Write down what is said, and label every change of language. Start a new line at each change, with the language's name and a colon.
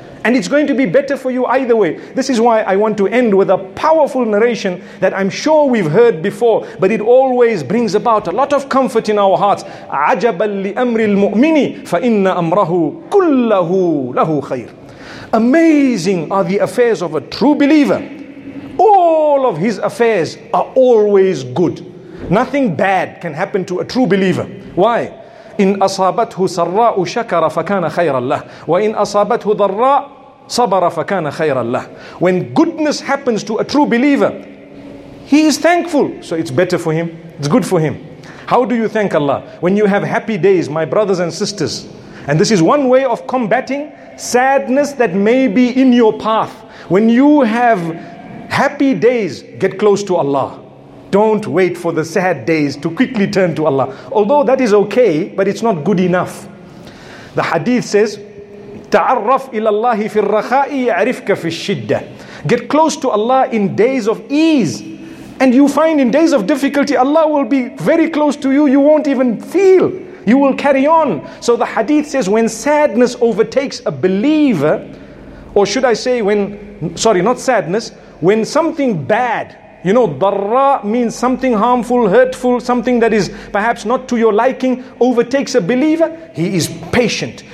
English: And it's going to be better for you either way. This is why I want to end with a powerful narration that I'm sure we've heard before, but it always brings about a lot of comfort in our hearts.
Arabic: عَجَبًا لِأَمْرِ الْمُؤْمِنِ فَإِنَّ أَمْرَهُ كُلَّهُ لَهُ خَيْرٌ.
English: Amazing are the affairs of a true believer. All of his affairs are always good. Nothing bad can happen to a true believer. Why?
Arabic: إن أصابته سراء شكر فكان خيرا له وإن أصابته ضراء صبر فكان خيرا له.
English: When goodness happens to a true believer, he is thankful. So it's better for him. It's good for him. How do you thank Allah? When you have happy days, my brothers and sisters, and this is one way of combating sadness that may be in your path. When you have happy days, get close to Allah. Don't wait for the sad days to quickly turn to Allah. Although that is okay, but it's not good enough. The hadith says,
Arabic: تعرف إلى الله في الرخاء يعرفك في الشدة.
English: Get close to Allah in days of ease. And you find in days of difficulty, Allah will be very close to you. You won't even feel. You will carry on. So the hadith says, when sadness overtakes a believer, or should I say when something bad, you know, darra means something harmful, hurtful, something that is perhaps not to your liking, overtakes a believer, he is patient.